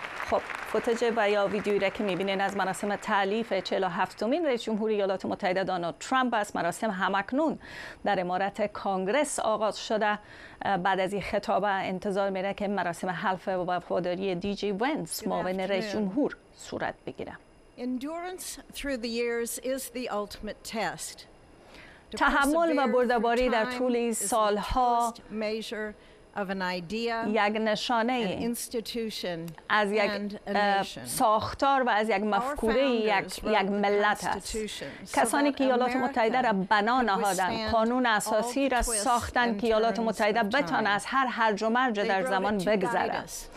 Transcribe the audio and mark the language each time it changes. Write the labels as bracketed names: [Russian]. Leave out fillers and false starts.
[Persian] خب فوتج و یا ویدیویی را که می‌بینین از مراسم تألیف 47مین رئیس جمهوری ایالات متحده دونالد ترامپ است. مراسم همکنون در عمارت کانگرس آغاز شده. بعد از این خطاب انتظار می‌ره که مراسم حلف و وفاداری دی جی ونس معاون رئیس جمهور صورت بگیره. [English] Endurance through the years is the ultimate test. [Persian] تحمل و بردباری در طول این سال‌ها [English] of an idea [Persian] یک نشانه [English] an institution [Persian] از یک ساختار و از یک مفکوره یک ملت است. کسانی که ایالات متحده را بنا نهادند، قانون اساسی را ساختند که ایالات متحده بتوان از هر هرج و مرج در زمان بگذرد.